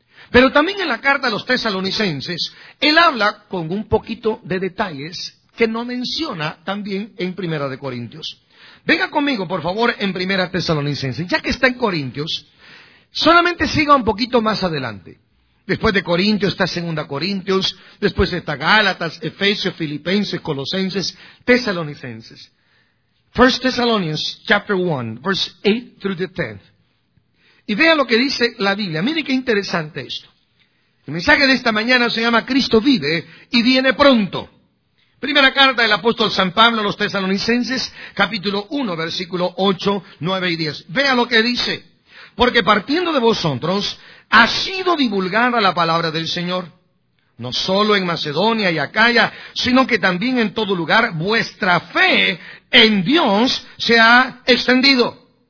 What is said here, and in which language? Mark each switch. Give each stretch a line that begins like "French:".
Spanish: Pero también en la carta a los Tesalonicenses, él habla con un poquito de detalles que no menciona también en Primera de Corintios. Venga conmigo, por favor, en Primera Tesalonicenses, ya que está en Corintios, solamente siga un poquito más adelante. Después de Corintios está Segunda Corintios, después está Gálatas, Efesios, Filipenses, Colosenses, Tesalonicenses.
English: 1 Thessalonians chapter 1, verse 8 through the 10th.
Spanish: Y vea lo que dice la Biblia. Mire qué interesante esto. El mensaje de esta mañana se llama Cristo vive y viene pronto. Primera carta del apóstol San Pablo a los Tesalonicenses, capítulo 1, versículo 8, 9 y 10. Vea lo que dice. Porque partiendo de vosotros ha sido divulgada la palabra del Señor, no solo en Macedonia y Acaya, sino que también en todo lugar vuestra fe en Dios se ha extendido.